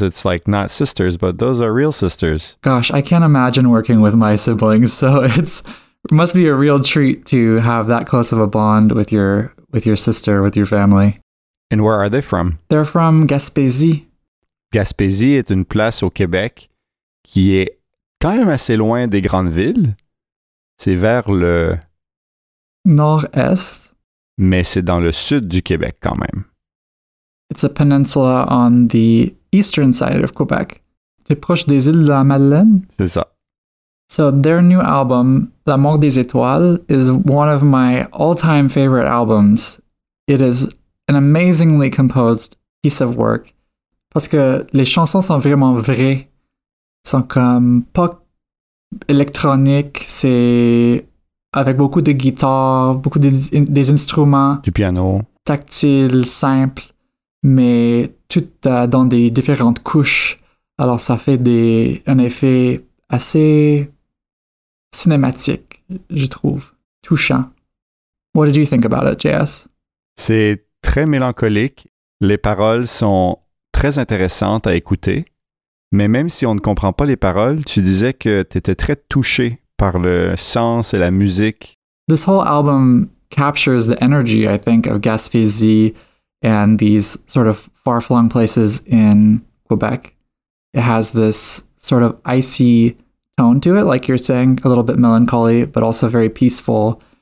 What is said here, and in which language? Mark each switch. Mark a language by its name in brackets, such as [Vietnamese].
[English] It's like not sisters, but those are real sisters. Gosh, I can't imagine working with my siblings. So it's must be a real treat to have that close of a bond with your sister, with your family. And where are they from? They're from Gaspésie. [French] Gaspésie est une place au Québec qui est quand même assez loin des grandes villes. C'est vers le nord-est. Mais c'est dans le sud du Québec quand même. [English] It's a peninsula on the eastern side of Quebec. [French] C'est proche des îles de la Madeleine? C'est ça. [English] So their new album, La Mort des Étoiles, is one of my all-time favorite albums. It is an amazingly composed piece of work. [French] Parce que les chansons sont vraiment vraies. Sont comme pop, électronique, c'est avec beaucoup de guitare, beaucoup des instruments. Du piano. Tactile, simple. Mais tout dans des différentes couches. Alors, ça fait un effet assez cinématique, je trouve. Touchant. [English] What did you think about it, JS? [French] C'est très mélancolique. Les paroles sont très intéressantes à écouter. Mais même si on ne comprend pas les paroles, tu disais que tu étais très touché par le sens et la musique. [English] This whole album captures the energy, I think, of Gaspésie and these sort of far-flung places in Quebec. It has this sort of icy tone to it, like you're saying, a little bit melancholy, but also very peaceful.